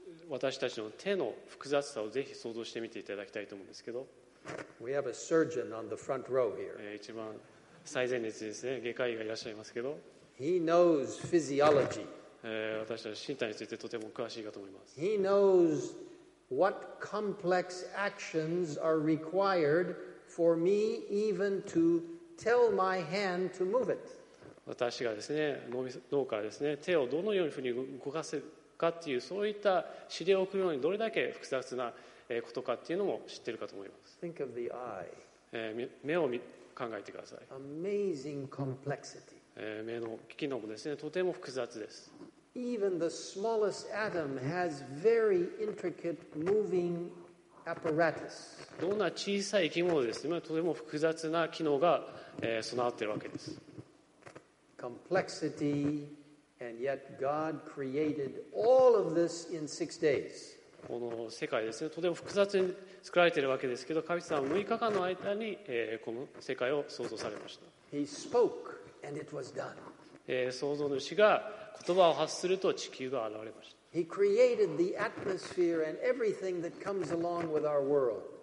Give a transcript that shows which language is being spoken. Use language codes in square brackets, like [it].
[ja] 私たちの手の複雑さをぜひ想像してみていただきたいと思うんですけど、 [en] We have a surgeon on the front row here. [ja] 一番最前列ですね、外科医がいらっしゃいますけど、 [en] He knows physiology. [ja] 私たち身体についてとても詳しいかと思います。 [en] He knows what complex actions are required for me even to tell my hand to move it. [ja] 私がですね、脳からですね、手をどのように動かせるかっていう、そういった指令を送るのにどれだけ複雑なことかっていうのも知ってるかと思います。 [en] Think of the eye. [ja] 目を考えてください。 [en] Amazing complexity. [ja] 目の機能もですね、とても複雑です。 [en] Even the smallest atom has very intricate moving apparatus. [ja] どんな小さい生き物ですね、とても複雑な機能が備わっているわけです。 [en] Complexity. And yet God created all of this in six days. [ja] この世界ですね、とても複雑に作られているわけですけど、神様は6日間の間に、この世界を創造されました。 [en] He spoke, and it was done. [ja] 創造主が言葉を発すると地球が現れました。 [en] He created the atmosphere and everything that comes along with our world.